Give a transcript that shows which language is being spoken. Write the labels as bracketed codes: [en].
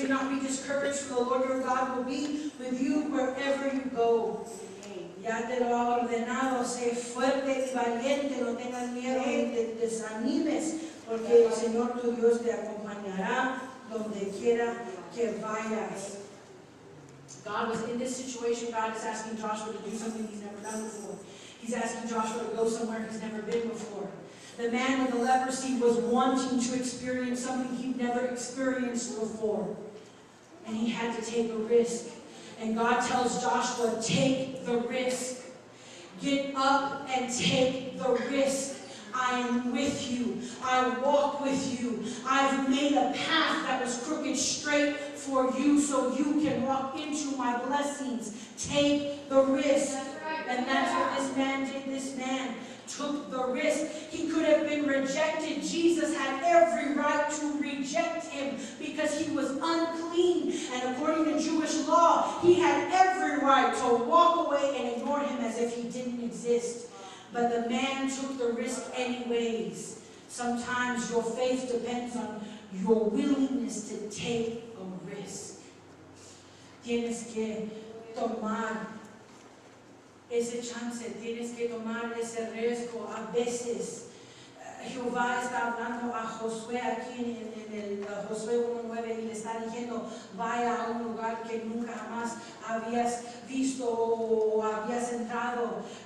[en] Do not be discouraged. For the Lord your God will be with you wherever you go. [es] Ya te lo ha ordenado, sé fuerte y valiente, no tengas miedo, ni te desanimes, porque el Señor tu Dios te acompañará donde quiera que vayas. [en] God was in this situation, God is asking Joshua to do something he's never done before. He's asking Joshua to go somewhere he's never been before. The man with the leprosy was wanting to experience something he'd never experienced before. And he had to take a risk. And God tells Joshua, take the risk. Get up and take the risk. I am with you. I walk with you. I've made a path that was crooked straight for you so you can walk into my blessings. Take the risk. That's right. And that's what this man did. This man took the risk. He could have been rejected. Jesus had every right to reject him because he was unclean. And according to Jewish law, he had every right to walk away and ignore him as if he didn't exist. But the man took the risk anyways. Sometimes your faith depends on your willingness to take a risk. [es] Tienes que tomar ese chance, tienes que tomar ese riesgo. A veces, Jehová está hablando a Josué aquí en el Josué 1:9 y le está diciendo, vaya a un lugar que nunca jamás habías visto o habías entrado.